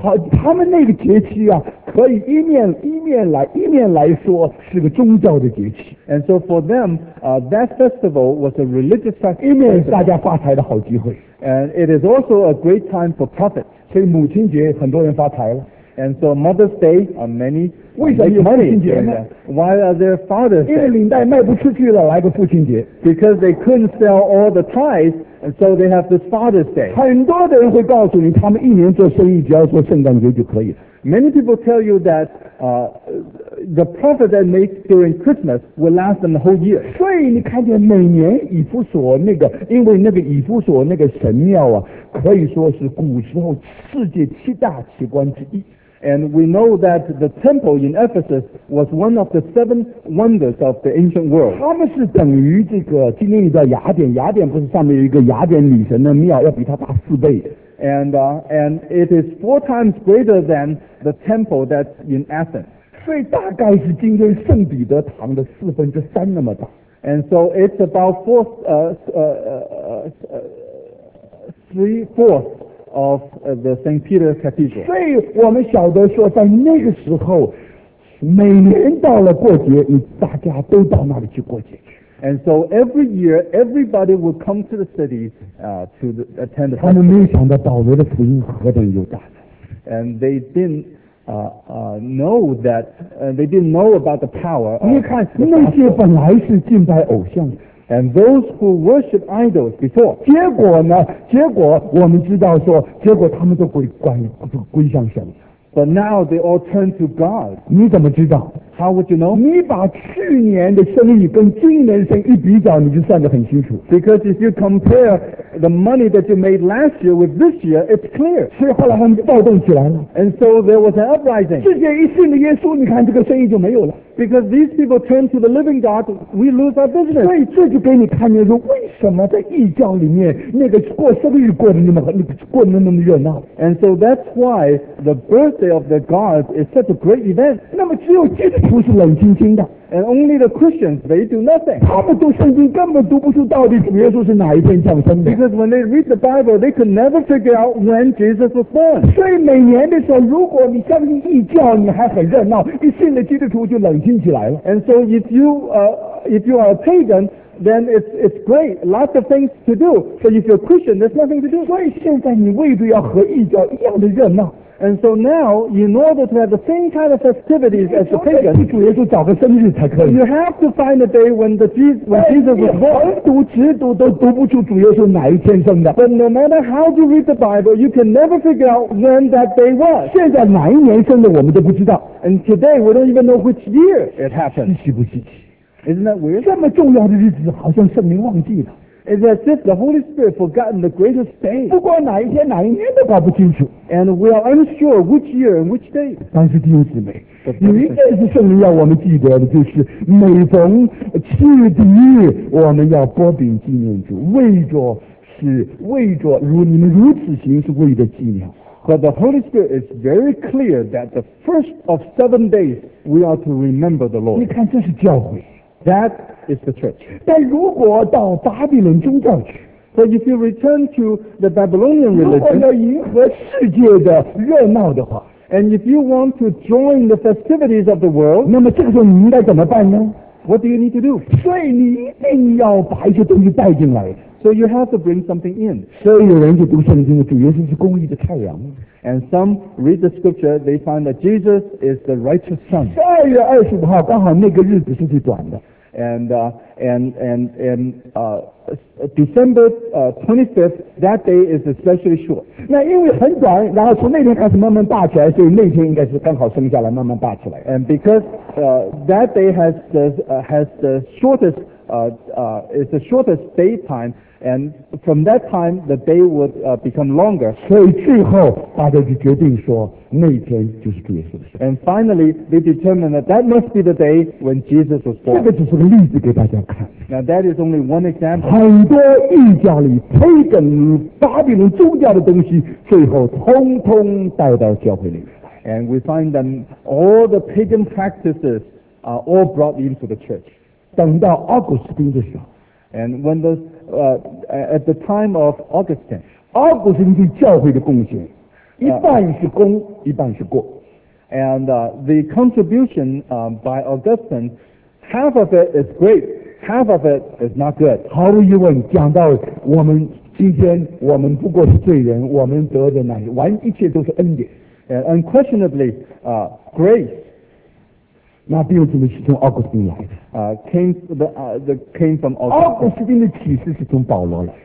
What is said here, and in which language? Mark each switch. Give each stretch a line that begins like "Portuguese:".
Chinese: 好，他们那个节期啊，可以一面来说是个宗教的节期。
English: And so for them, that festival was a religious festival.
Chinese: 一面大家发财的好机会。
English: And it is also a great time for profit.
Chinese: 所以母亲节很多人发财了。
English: And so Mother's Day are many.
Chinese: 为什么有父亲节呢
English: ？Why are there Father's Day?
Chinese: 因为领带卖不出去了，来个父亲节。
English: Because they couldn't sell all the ties, and so they have this Father's Day.
Chinese: 很多的人会告诉你，他们一年做生意只要做圣诞节就可以了。
English: Many people tell you that the profit they make during Christmas will last them the whole year.
Chinese: 所以你看见每年以弗所那个，因为那个以弗所那个神庙啊，可以说是古时候世界七大奇观之一。
English: And we know that the temple in Ephesus was one of the seven wonders of the ancient world.
Chinese: 他们是等于这个今天遇到雅典，雅典不是上面有一个雅典女神的庙，要比它大四倍。
English: And it is four times greater than the temple that's in Athens.
Chinese: 所以大概是今天圣彼得堂的四分之三那么大。
English: And so it's about three-fourths of the St. Peter's Cathedral.
Chinese: 所以我们晓得说在那个时候每年到了过节你大家都到那里去过节。
English: And so every year, everybody would come to the city to attend the
Chinese: festival. 他们没有想到保罗的福音何等有大能。
English: And they didn't know that, they didn't know about the power of
Chinese: 你看那些本来是敬拜偶像的。
English: And those who worship idols before.
Chinese: 结果呢结果我们知道说结果他们都归向神。
English: But now they all turn to God.
Chinese: 你怎么知道？
English: How would you know?
Chinese: 你把去年的生意跟今年的生意一比较，你就算得很清楚。
English: Because if you compare the money that you made last year with this year, it's clear.
Chinese: 所以后来他们就暴动起来了。
English: And so there was an uprising.
Chinese: 世界一信了耶稣，你看这个生意就没有了。
English: Because these people turn to the living God, we lose our business.
Chinese: 所以这就给你看见说，为什么在异教里面那个过生日过得那么热闹。
English: And so that's why the birthday of the God is such a great event.
Chinese: 那么只有基督徒是冷清清的。
English: And only the Christians, they do nothing.
Chinese: 他们读圣经根本读不出到底主耶稣是哪一天降生的。
English: Because when they read the Bible, they could never figure out when Jesus was born.
Chinese: 所以每年的时候，如果你相信异教，你还很热闹；你信了基督徒，就冷清起来了。
English: And so if you are a pagan, then it's great, lots of things to do. But if you're a Christian, there's nothing to do.
Chinese: 所以现在你未必要和异教一样的热闹。
English: And so now, in order to have the same kind of festivities as the pagans,
Chinese: 主耶稣找个生日才可以。
English: You have to find a day when Jesus was born.
Chinese: 横读直读都读不出主耶稣哪一天生的。
English: But no matter how you read the Bible, you can never figure out when that day was.
Chinese: 现在哪一年生的我们都不知道。
English: And today, we don't even know which year it happened.
Chinese: 稀奇不稀奇？
English: Isn't that weird?
Chinese: 这么重要的日子好像圣灵忘记了。
English: It's as if the Holy Spirit forgotten the greatest day.
Chinese: 不管哪一天哪一年都搞不清楚。
English: And we are unsure which year and which day.
Chinese: 但是弟兄姊妹，有一件事圣灵要我们记得的，就是每逢七月第一日，我们要擘饼纪念主，为着如你们如此行是为了纪念。
English: But the Holy Spirit is very clear that the first of 7 days we are to remember the Lord.
Chinese: 你看这是教会。
English: That is the church.
Chinese: 但如果到巴比伦宗教去
English: But if you return to the Babylonian religion,
Chinese: 如果要迎合世界的热闹的话
English: And if you want to join the festivities of the world,
Chinese: 那么这个时候你应该怎么办呢
English: What do you need to do?
Chinese: 所以你一定要把一些东西带进来
English: So you have to bring something in.
Chinese: 所以有人就读圣经，主耶稣是公义的太阳。
English: And some read the scripture, they find that Jesus is the righteous son.
Chinese: 12月25号刚好那个日子是最短的。
English: December 25th, that day is especially short.
Chinese: 那因为很短，然后从那天开始慢慢大起来，所以那天应该是刚好生下来，慢慢大起来。
English: And because that day has the shortest daytime, and from that time the day would become longer.
Chinese: 所以最后大家就决定说那天就是主耶稣的生日。
English: And finally, they determined that must be the day when Jesus was born.
Chinese: 这个只是个例子给大家看。
English: Now that is only one example.
Chinese: 很多异教里pagan巴比伦宗教的东西，最后通通带到教会里面。
English: And we find that all the pagan practices are all brought into the church.
Chinese: 等到Augustine的时候。
English: And when the, at the time of Augustine,
Chinese: Augustine 对教会的贡献一半是功一半是过。
English: And the contribution by Augustine, half of it is great, half of it is not good.
Chinese: 毫无疑问讲到我们今天我们不过是罪人我们得的乃完一切都是恩典。
English: And unquestionably, grace,
Chinese: 那弟兄姊妹是从奥古斯丁来的。
English: came from Augustine.
Chinese: 奥古斯丁的启示是从保罗来。